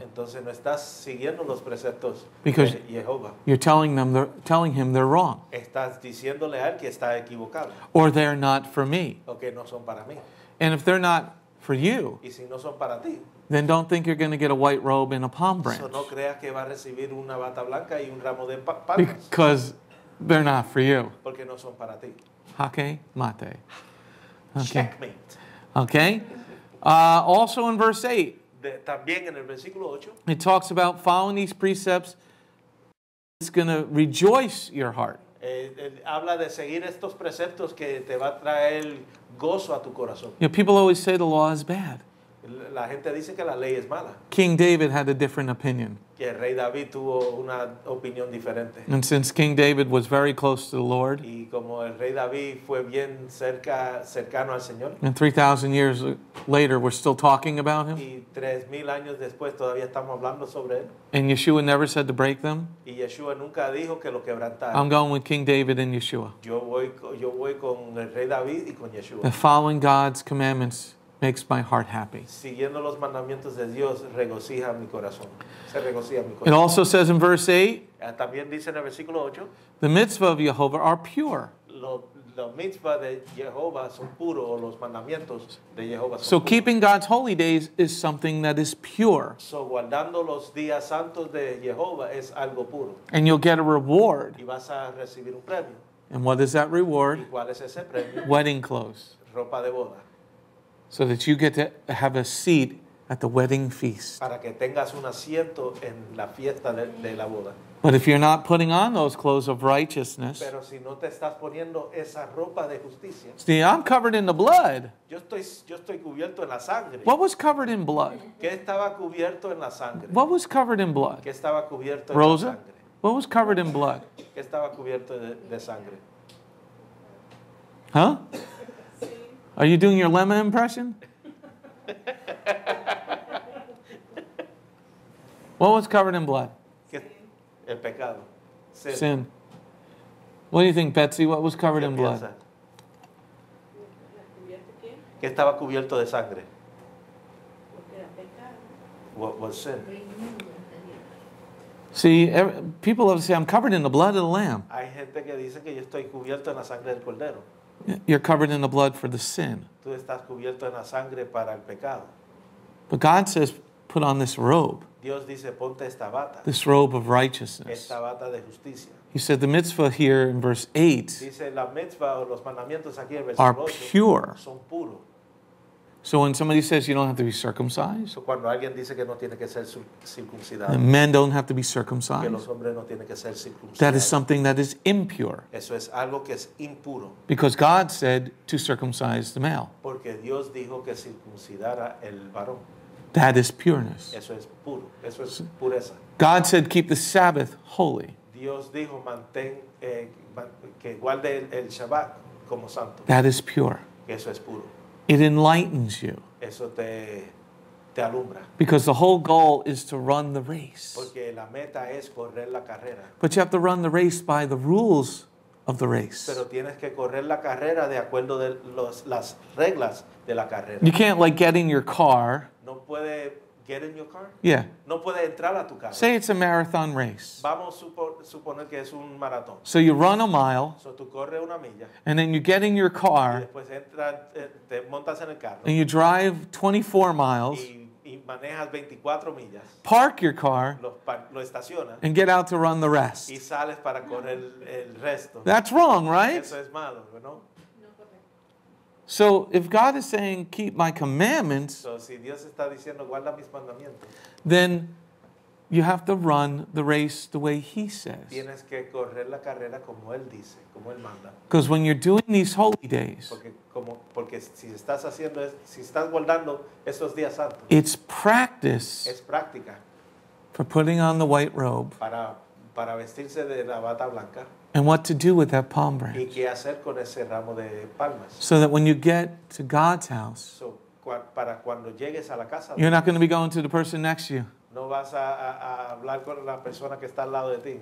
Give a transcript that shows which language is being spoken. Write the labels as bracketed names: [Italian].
[Spanish] Entonces, no estás siguiendo los preceptos [English] because [Spanish] de Jehovah. [English] You're telling him they're wrong. [Spanish] Estás diciéndole a él que está equivocado. [English] Or they're not for me. [Spanish] O que no son para mí. [English] And if they're not for you, [Spanish] y si no son para ti, [English] then don't think you're going to get a white robe and a palm branch. [Spanish] So no creas que va a recibir una bata blanca y un ramo de palmas. [English] Because they're not for you. [Spanish] Porque no son para ti. Hake mate. [English] Okay. Checkmate. Okay. Also in verse 8. [Spanish] También en el versículo 8. [English] It talks about following these precepts. It's going to rejoice your heart. [Spanish] Habla de seguir estos preceptos que te va a traer gozo a tu corazón. [English] You know, people always say the law is bad. [Spanish] La gente dice que la ley es mala. [English] King David had a different opinion. [Spanish] Que el rey David tuvo una opinión diferente. [English] And since King David was very close to the Lord, [Spanish] y como el rey David fue bien cercano al Señor, [English] and 3,000 years later we're still talking about him, [Spanish] y 3,000 años después todavía estamos hablando sobre él, [English] and Yeshua never said to break them, [Spanish] y Yeshua nunca dijo que lo quebrantara, [English] I'm going with King David and Yeshua. [Spanish] Yo voy con el rey David y con Yeshua. [English] And following God's commandments makes my heart happy. [Spanish] Siguiendo los mandamientos de Dios regocija mi corazón. Se regocija mi corazón. [English] It also says in verse 8, [Spanish] también dice en el versículo 8, [English] the mitzvah of Jehovah are pure. [Spanish] Los mitzvah de Jehovah son puros, o los mandamientos de Jehovah son [English] so [Spanish] puros. [English] Keeping God's holy days is something that is pure. [Spanish] So guardando los días santos de Jehovah es algo puro. [English] And you'll get a reward. [Spanish] Y vas a recibir un premio. [English] And what is that reward? [Spanish] ¿Y cuál es ese premio? [English] Wedding clothes. [Spanish] Ropa de boda. [English] So that you get to have a seat at the wedding feast. [Spanish] Para que tengas un asiento en la fiesta de la boda. [English] But if you're not putting on those clothes of righteousness, [Spanish] pero si no te estás poniendo esa ropa de justicia, [English] see, I'm covered in the blood. [Spanish] Yo estoy cubierto en la sangre. [English] What was covered in blood? [Spanish] ¿Qué estaba cubierto en la sangre? [English] What was covered in blood? [Spanish] ¿Qué estaba cubierto en Rosa? La sangre? [English] What was covered in blood? [Spanish] ¿Qué estaba cubierto de sangre? [English] Huh? Are you doing your lemon impression? What was covered in blood? [Spanish] El pecado. [English] Sin. Sin. What do you think, Betsy? What was covered in blood? [Spanish] ¿Qué estaba cubierto de sangre? Porque era pecado. [English] What was sin? See, people love to say, I'm covered in the blood of the Lamb. [Spanish] Hay gente que dice que yo estoy cubierto en la sangre del Cordero. [English] You're covered in the blood for the sin. [Spanish] Tú estás cubierto en la sangre para el pecado. [English] But God says, put on this robe. [Spanish] Dios dice, ponte esta bata. [English] This robe of righteousness. [Spanish] Esta bata de justicia. [English] He said the mitzvah here in verse 8 [Spanish] dice, la mitzvah, los mandamientos aquí en verse [English] are 8, pure. [Spanish] Son puro. [English] So when somebody says you don't have to be circumcised, [Spanish] cuando alguien dice que no tiene que ser circuncidado, [English] and men don't have to be circumcised, [Spanish] que los hombres no tienen que ser circuncidados, [English] that is something that is impure. [Spanish] Eso es algo que es impuro. [English] Because God said to circumcise the male. [Spanish] Porque Dios dijo que circuncidara el varón. [English] That is pureness. [Spanish] Eso es puro. Eso es pureza. [English] God said, keep the Sabbath holy. [Spanish] Dios dijo, mantén, que guarde el Shabbat como santo. [English] That is pure. [Spanish] Eso es puro. [English] It enlightens you. [Spanish] Eso te alumbra. [English] Because the whole goal is to run the race. [Spanish] Porque la meta es correr la carrera. [English] But you have to run the race by the rules of the race. [Spanish] Pero tienes que correr la carrera de acuerdo de las reglas de la carrera. [English] You can't like get in your car. [Spanish] No puede [English] get in your car? Yeah. [Spanish] No puede entrar a tu carro. [English] Say it's a marathon race. [Spanish] Vamos a suponer que es un maratón. [English] So you run a mile. [Spanish] So tú corres una milla. [English] And then you get in your car. [Spanish] Y después entra, te montas en el carro. [English] And you drive 24 miles. [Spanish] Y manejas 24 millas. [English] Park your car. [Spanish] Lo estacionas. [English] And get out to run the rest. [Spanish] Y sales para correr el resto. [English] That's wrong, right? [Spanish] Eso es malo, ¿no? [English] So if God is saying, keep my commandments, [Spanish] so, si Dios está diciendo, guarda mis mandamientos, [English] then you have to run the race the way he says. [Spanish] Tienes que correr la carrera como él dice, como él manda. [English] Because when you're doing these holy days, [Spanish] porque si estás haciendo, si estás guardando esos días santos, [English] it's practice, [Spanish] es práctica, [English] for putting on the white robe, [Spanish] para vestirse de la bata blanca. [English] And what to do with that palm branch. [Spanish] ¿Y qué hacer con ese ramo de palmas? [English] So that when you get to God's house, [Spanish] so, para cuando llegues a la casa, [English] you're not going to be going to the person next to you. [Spanish] No vas a hablar con la persona que está al lado de ti.